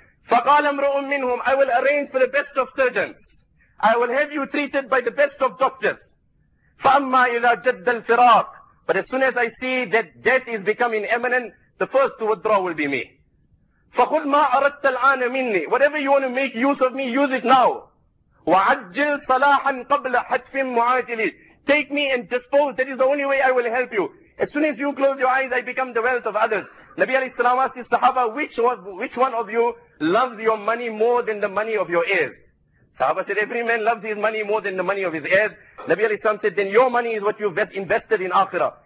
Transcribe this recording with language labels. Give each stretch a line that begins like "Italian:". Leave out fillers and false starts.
Arabic: فَقَالَ امْرُؤٌ مِّنْهُمْ
English: I will arrange for the best of surgeons. I will have you treated by the best of doctors.
Arabic: فَأَمَّا إِذَا جَدَّ الْفِرَاقِ
English: But as soon as I see that death is becoming imminent, the first to withdraw will be me.
Arabic: فَخُذْ مَا أَرَدْتَ الْآنَ مِنِّي
English: Whatever you want to make use of me, use it now.
Arabic: وَعَجِّلْ صَلَاحًا قَبْلَ حَتْفٍ مُعَاجِلِ
English: Take me and dispose. That is the only way I will help you. As soon as you close your eyes, I become the wealth of others. Nabi alayhi salam asked his sahaba, which one of you loves your money more than the money of your heirs? Sahaba said, every man loves his money more than the money of his heirs. Nabi alayhi salam said, then your money is what you've invested in akhirah.